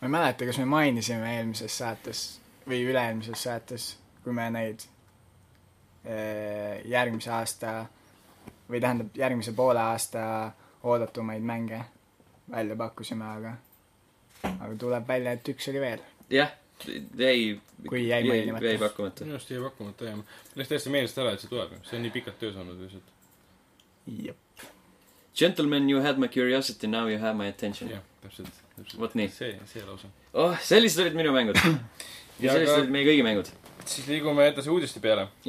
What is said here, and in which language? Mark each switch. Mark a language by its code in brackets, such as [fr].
[et] ma ei mäleta , kas me mainisime eelmises saates või üle-eelmises saates , kui me neid järgmise aasta või tähendab , järgmise poole aasta oodatumaid mänge välja pakkusime , aga tuleb välja , et üks oli veel . jah , jäi . kui jäi mainimata . jäi pakkumata . minu arust jäi pakkumata , jah . mul läks täiesti meelest ära , et see tuleb , see on nii pikalt töös olnud lihtsalt . jep . [en] Gentlemen , you had my curiosity , now you have my attention . [et] jah , täpselt vot nii . see lause . oh , sellised olid minu mängud . ja sellised olid meie kõigi mängud . siis liigume edasi uudiste peale .